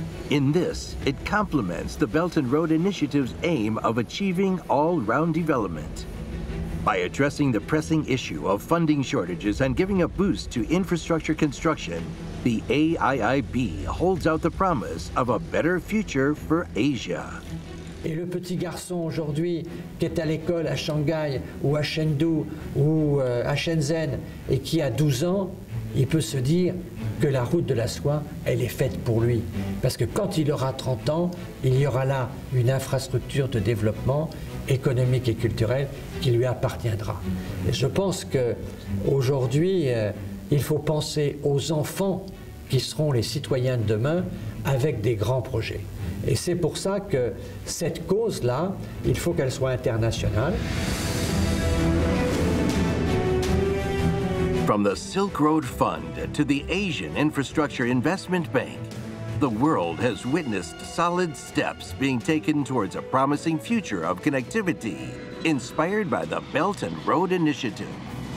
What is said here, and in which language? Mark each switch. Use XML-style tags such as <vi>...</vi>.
<en>In this, it complements the Belt and Road Initiative's aim of achieving all-round development. By addressing the pressing issue of funding shortages and giving a boost to infrastructure construction, the AIIB holds out the promise of a better future for Asia.</en> <fr>Et le petit garçon aujourd'hui qui est à l'école à Shanghai ou à Chengdu ou à Shenzhen et qui a 12 ans, il peut se dire que la route de la soie, elle est faite pour lui. Parce que quand il aura 30 ans, il y aura là une infrastructure de développement économique et culturel qui lui appartiendra. Et je pense qu'aujourd'hui, il faut penser aux enfants qui seront les citoyens de demain avec des grands projets. Et c'est pour ça que cette cause-là, il faut qu'elle soit internationale.</fr> <en>From the Silk Road Fund to the Asian Infrastructure Investment Bank, the world has witnessed solid steps being taken towards a promising future of connectivity, inspired by the Belt and Road Initiative.</en>